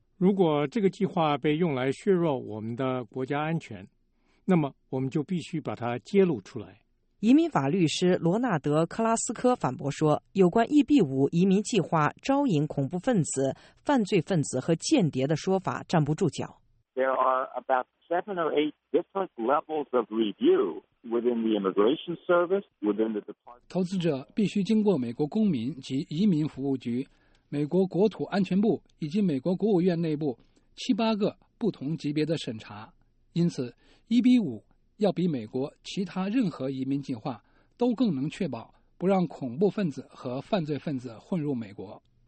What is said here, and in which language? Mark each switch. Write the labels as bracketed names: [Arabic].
[Chinese] 如果这个计划被用来削弱我们的国家安全，那么我们就必须把它揭露出来。移民法律师罗纳德·克拉斯科反驳说，有关 EB5 移民计划招引恐怖分子、犯罪分子和间谍的说法站不住脚。 [English] There are about seven or eight different levels of review within the Immigration Service, within the Department. [Chinese] 投资者必须经过美国公民及移民服务局、美国国土安全部以及美国国务院内部七八个不同级别的审查，因此 EB5 要比美国其他任何移民计划都更能确保不让恐怖分子和犯罪分子混入美国。